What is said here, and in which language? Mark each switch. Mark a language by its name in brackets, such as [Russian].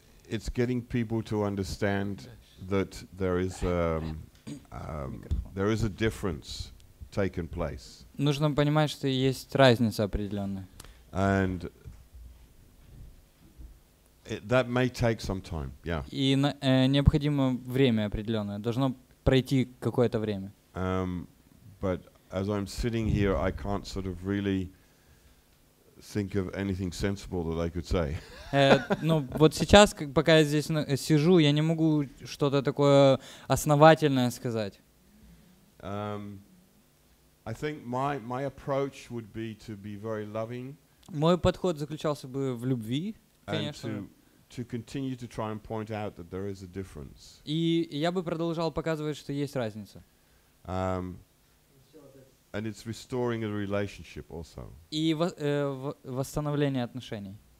[English] It's getting people to understand that there is a difference taking place. [Russian] Нужно понимать, что есть разница определенная. [English] And that may take some time. Yeah. [Russian] И необходимо время определенное. Должно пройти какое-то время. [English] But as I'm sitting here, I can't sort of really think of anything sensible that I could say. [Russian] Ну вот сейчас, пока я здесь сижу, я не могу что-то такое основательное сказать. [English] I think my approach would be to be very loving. [Russian] Мой подход заключался бы в любви, конечно. [English] To continue to try and point out that there is a difference. [Russian] И я бы продолжал показывать, что есть разница. [English] And it's restoring a relationship also. [Russian] И восстановление отношений.